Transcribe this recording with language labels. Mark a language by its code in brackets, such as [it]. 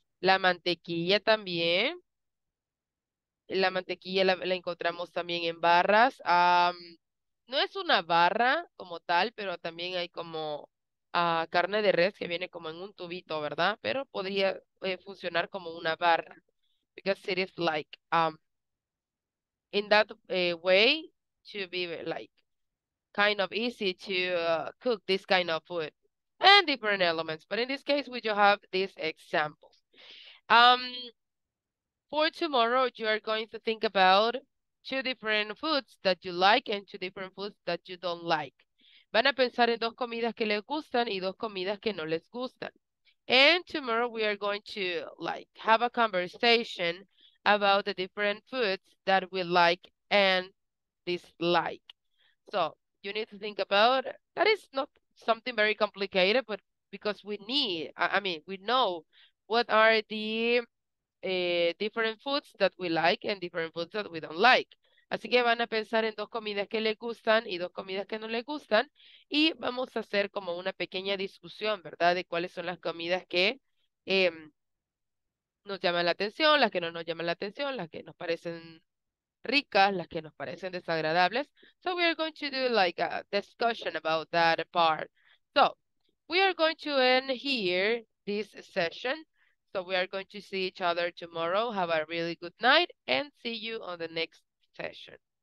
[es] La mantequilla también. La mantequilla la encontramos también en barras. No es una barra como tal, pero también hay como carne de res que viene como en un tubito, ¿verdad? Pero podría funcionar como una barra. [en] Because it is like, in that way, to be like, kind of easy to cook this kind of food and different elements. But in this case, we do have these examples. For tomorrow, you are going to think about two different foods that you like and two different foods that you don't like. [es] Van a pensar en dos comidas que les gustan y dos comidas que no les gustan. [en] And tomorrow, we are going to like have a conversation about the different foods that we like and dislike. So, you need to think about, that is not something very complicated, but because we need, I mean, we know what are the different foods that we like and different foods that we don't like. [es] Así que van a pensar en dos comidas que les gustan y dos comidas que no les gustan, y vamos a hacer como una pequeña discusión, ¿verdad? De cuáles son las comidas que nos llaman la atención, las que no nos llaman la atención, las que nos parecen ricas, las que nos parecen desagradables. [en] So we are going to do like a discussion about that part. So we are going to end here this session. So we are going to see each other tomorrow. Have a really good night and see you on the next session.